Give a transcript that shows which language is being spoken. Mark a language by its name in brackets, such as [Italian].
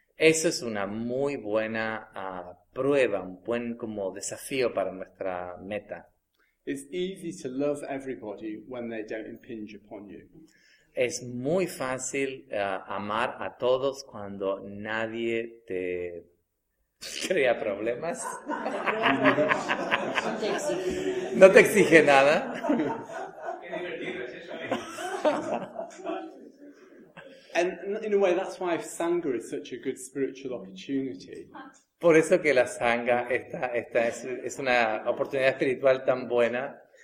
[Spanish] Eso es una muy buena prueba, un buen como desafío para nuestra meta. [English] It's easy to love everybody when they don't impinge upon you. [Spanish] Es muy fácil amar a todos cuando nadie te crea problemas. No te exige nada. [English] And in a way, that's why sangha is such a good spiritual opportunity. [Spanish] Por eso que la sangha es una oportunidad espiritual tan buena.